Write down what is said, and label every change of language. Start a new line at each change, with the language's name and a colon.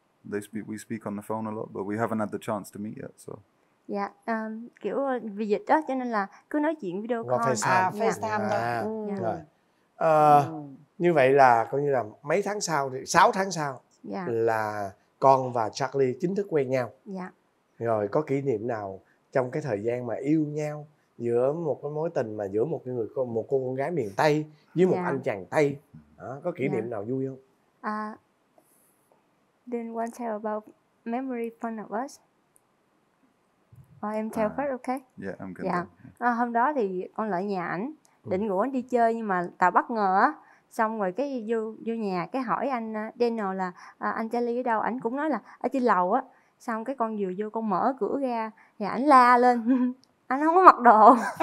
English: We speak on the phone a lot, but we haven't had the chance to meet yet. So. Yeah.
Vietnamese: Kiểu vì dịch đó, cho nên là cứ nói chuyện video call.
English: FaceTime.
Vietnamese: Như vậy là coi như là mấy tháng sau thì 6 tháng sau là con và Charlie chính thức quen nhau.
English: Yeah.
Vietnamese: Rồi có kỷ niệm nào trong cái thời gian mà yêu nhau, giữa một cái mối tình mà giữa một cái người, một cô con gái miền Tây với một anh chàng Tây, có kỷ niệm nào vui không?
English: Didn't want to tell about memory fun of us. Em tell first, okay? Yeah, I'm good.
Vietnamese: Hôm đó thì con lại nhà ảnh, định rủ anh đi chơi nhưng mà tao bất ngờ á, xong rồi cái vô nhà cái hỏi anh Daniel là anh Charlie ở đâu, ảnh cũng nói là ở trên lầu á. Xong cái con vừa vô con mở cửa ra thì ảnh la lên. Anh không có mặc đồ.